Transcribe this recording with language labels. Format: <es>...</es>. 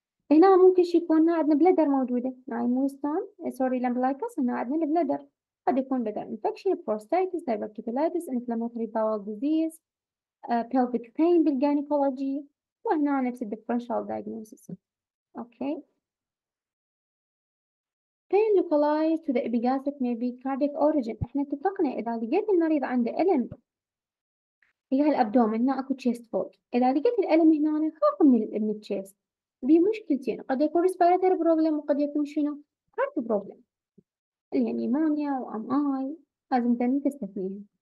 <ar>هنا ممكن شي يكون عندنا بلدر موجودة، يعني مو ستون سوري لامبلايكس، هنا عندنا البلدر قد يكون بدر انفكشن، بروستايتس، دايفركتولايتس، انفلاماتوري باول ديزيز، بلفيك بين بالجاينيكولوجي، وهنا نفس الديفرنشال دايجنوسيس.</ar> <en>Okay pain localized to the epigastric maybe cardiac origin.</en> <ar>احنا اتفقنا اذا لقيت المريض عنده الم هي الابدومن، هنا اكو تشيست فوق، اذا لقيت الالم هنا خاف من التشيست بمشكلتين، قد يكون</ar> <en>respiratory problem</en> <ar>وقد يكون شنو</ar> <en>heart problem</en> <ar>يعني نيمونيا و ام اي، لازم تستثنيها.</ar>